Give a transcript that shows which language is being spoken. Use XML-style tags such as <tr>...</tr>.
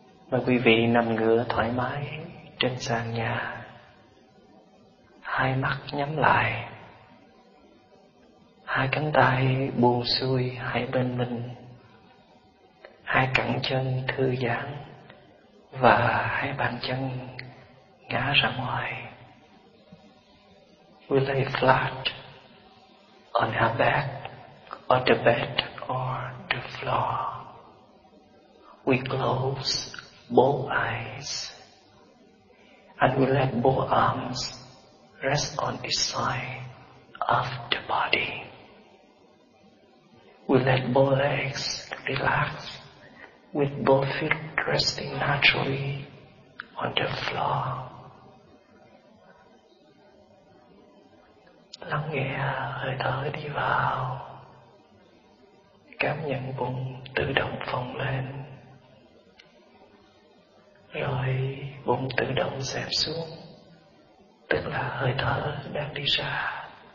<vi>Mời quý vị nằm ngửa thoải mái trên sàn nhà, hai mắt nhắm lại, hai cánh tay buông xuôi hai bên mình, hai cẳng chân thư giãn và hai bàn chân ngã ra ngoài.</vi> <en>We lay flat on our back or the bed or the floor. We close both eyes and we let both arms rest on each side of the body. We let both legs relax with both feet resting naturally on the floor.</en> <vi>Lắng nghe hơi thở đi vào, cảm nhận bụng tự động phồng lên, rồi bụng tự động xẹp xuống, tức là hơi thở đang đi ra.</vi>